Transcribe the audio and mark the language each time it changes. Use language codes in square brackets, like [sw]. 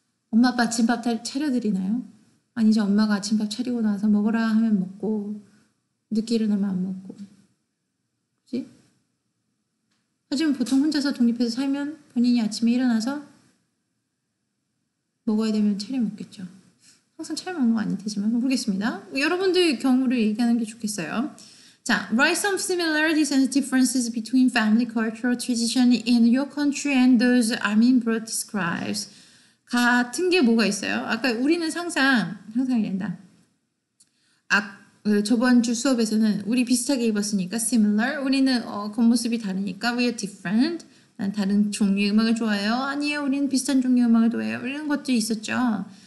[ko] 엄마 아빠 아침밥 차려드리나요? 아니죠. 엄마가 아침밥 차리고 나서 먹으라 하면 먹고 늦게 일어나면 안 먹고. 하지만 보통 혼자서 독립해서 살면 본인이 아침에 일어나서 먹어야 되면 차려 먹겠죠. 항상 차려 먹는 거 아닐 테지만 모르겠습니다. 여러분들의 경우를 얘기하는 게 좋겠어요. [en] 자, write some similarities and differences between family cultural tradition in your country and those Armin Broad describes. [ko] 같은 게 뭐가 있어요? 아까 우리는 항상 이랬다. 저번 주 수업에서는 우리 비슷하게 입었으니까 similar, 우리는 겉모습이 다르니까 [en] we are different, [ko] 난 다른 종류의 음악을 좋아해요. 아니에요, 우리는 비슷한 종류의 음악을 좋아해요. 이런 것도 있었죠.